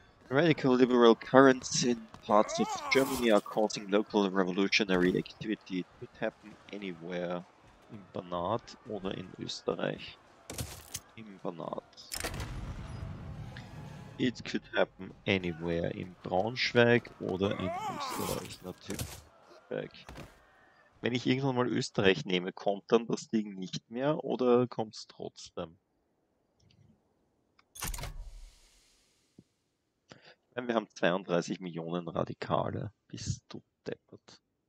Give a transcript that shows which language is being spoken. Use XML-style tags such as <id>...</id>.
<en>Radical liberal currents in parts of Germany are causing local revolutionary activity. It could happen anywhere.</en> <de>Im Banat oder in Österreich. Im Banat.</de> <en>It could happen anywhere.</en> <de>In Braunschweig oder in Österreich. Natürlich. Wenn ich irgendwann mal Österreich nehme, kommt dann das Ding nicht mehr oder kommt es trotzdem? Wir haben 32 Millionen Radikale. Bist du deppert?</de>